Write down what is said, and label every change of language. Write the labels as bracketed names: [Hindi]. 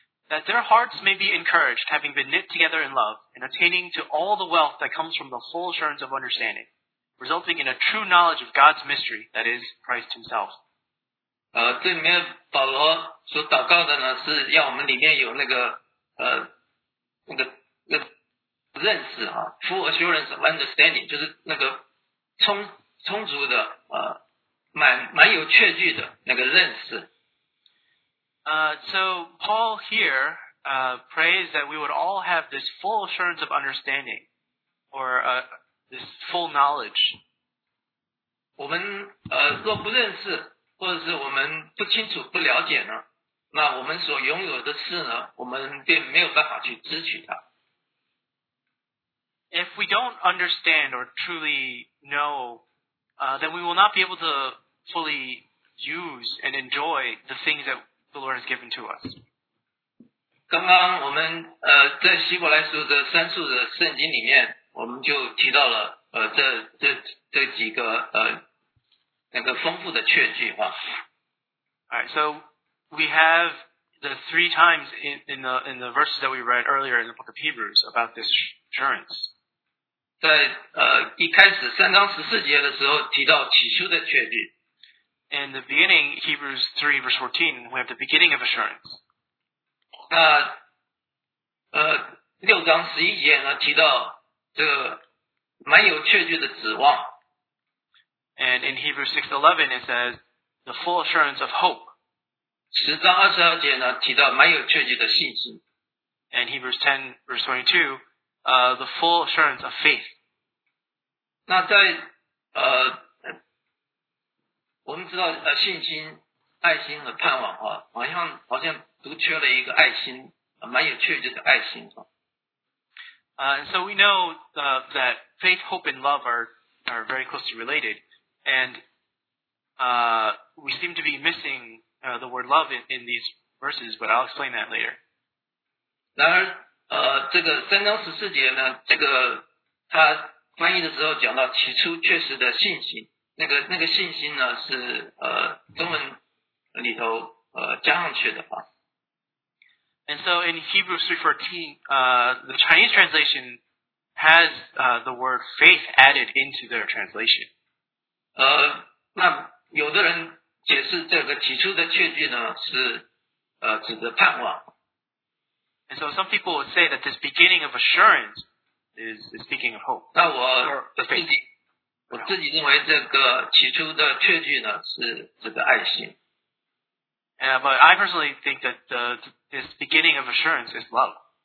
[English] That their hearts may be encouraged, having been knit together in love, and attaining to all the wealth that comes from the full assurance of understanding, resulting in a true knowledge of God's mystery, that is, Christ himself. [Chinese] 这里面保罗所祷告的呢，是要我们里面有认识啊 ， [English] full assurance of understanding， [Chinese] 就是那个充足的蛮有确据的那个认识。 [English] So Paul here prays that we would all have this full assurance of understanding, or this full knowledge. [Chinese] 我们若不认识，或者是我们不清楚、不了解呢，那我们所拥有的事呢，我们便没有办法去支取它。 [English] If we don't understand or truly know, then we will not be able to fully use and enjoy the things that the Lord has given to us. [Chinese] 刚刚我们在希伯来书的三处的圣经里面，我们就提到了这几个那个丰富的确据啊。 [English] Alright, so we have the three times in the verses that we read earlier in the book of Hebrews about this assurance. [Chinese] 在一开始三章十四节的时候提到起初的确据。 [English] In the beginning, Hebrews 3 verse 14, we have the beginning of assurance. [Chinese] 那六章十一节呢提到这个蛮有确据的指望。 [English] And in Hebrews 6:11, it says, the full assurance of hope. [Chinese] 十章二十二节呢提到蛮有确据的信心。 [English] And Hebrews 10 verse 22, the full assurance of faith. [Chinese] 那在我们知道信心、爱心和盼望啊，好像独缺了一个爱心，蛮有确据的爱心啊。 [English] So we know that faith, hope, and love are very closely related, and we seem to be missing the word love in these verses, but I'll explain that later. [Chinese] 然而这个三章十四节呢，这个他翻译的时候讲到起初确实的信心。那个信心呢是中文里头加上去的话。 [English] And so in Hebrews 3:14, the Chinese translation has the word faith added into their translation. [Chinese] 那有的人解释这个起初的确据呢是指的盼望。 [English] And so some people would say that this beginning of assurance is speaking of hope. [Chinese] 那我的自己。我自己认为这个起初的确据呢是这个爱心。 [English] But I personally think that this beginning of assurance is love.